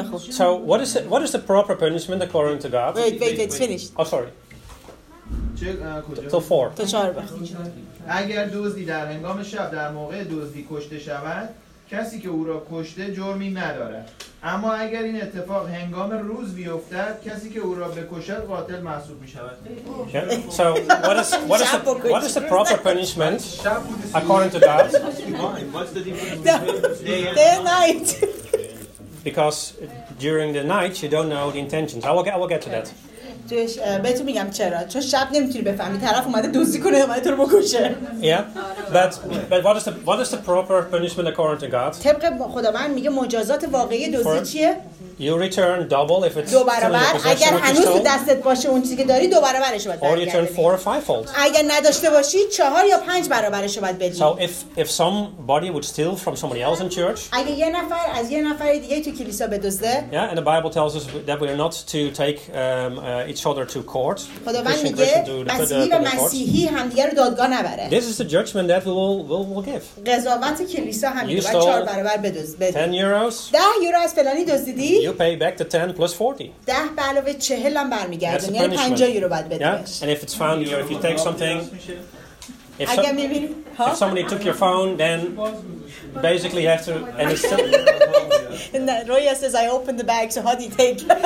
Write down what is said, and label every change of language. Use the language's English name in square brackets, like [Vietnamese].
[English] So what is the proper punishment according to God? Wait, it's finished. Oh, sorry. To four. To four. [Persian] اگر دزدی در هنگام شب در موقع دزدی کشته شود، کسی که او را کشته جرمی ندارد. اما اگر این اتفاق هنگام روز بیفتد، کسی که او را بکشد قاتل محسوب می شود. [English] So what is the proper punishment according to God? What's the difference? Day and night. Because during the night you don't know the intentions. I will get to that. [Persian] توش بهتون میگم چرا، چون شب نمیتونی بفهمی طرف اومده دزدی کنه یا اومده تو رو بکشه. [English] Yeah, but what is the proper punishment according to God? [Persian] طبق خداوند میگه مجازات واقعی دزدی چیه؟ [English] You return double if it's [Persian] دو برابر. اگر هنوز تو دستت باشه اون چیزی که داری، دو برابرش باید بدی. [English] Or you return four or fivefold. [Persian] اگر نداشته باشی، چهار یا پنج برابرش باید بدی. [English] So if somebody would steal from somebody else in church. [Persian] اگر یه نفر از یه نفر دیگه تو کلیسا بدزده. [English] Yeah, and the Bible tells us that we are not to take each other to court. [Persian] خداوند میگه مسیحی و مسیحی همدیگه رو دادگاه نبره. [English] This is the judgment that we will give. [Persian] قضاوت کلیسا همینه، باید چهار برابر بدزدی. [English] 10 euros. [Persian] 10 یورو از فلانی دزدیدی. [English] You pay back the 10 plus 40. [Persian] 10 به علاوه 40 هم برمیگردن، یعنی 50 یورو باید بدی. [English] Yeah? And if it's found here, if you take something, if, so, if somebody took your phone, then basically you have to. And it's still. And Roya says, I opened the bag, so how do you take?